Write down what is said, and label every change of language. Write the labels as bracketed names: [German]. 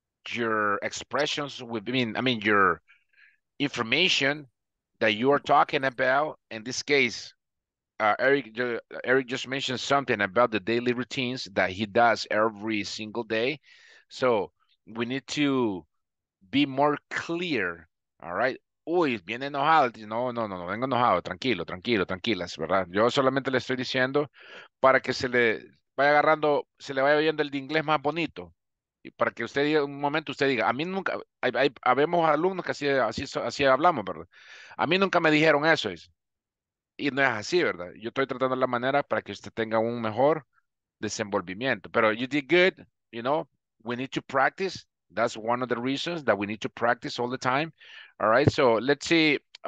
[English] Your expressions will be, I mean your information that you are talking about in this case, Eric just mentioned something about the daily routines that he does every single day, so we need to be more clear. All right. [Spanish] Uy, viene enojado. No, vengo enojado. Tranquilas, ¿verdad? Yo solamente le estoy diciendo para que se le vaya oyendo el de inglés más bonito. Y para que usted diga, un momento, usted diga, a mí nunca, habemos alumnos que así hablamos, ¿verdad? A mí nunca me dijeron eso. Y no es así, ¿verdad? Yo estoy tratando la manera para que usted tenga un mejor desenvolvimiento. Pero [English] you did good, you know, we need to practice. That's one of the reasons that we need to practice all the time. All right, so let's see.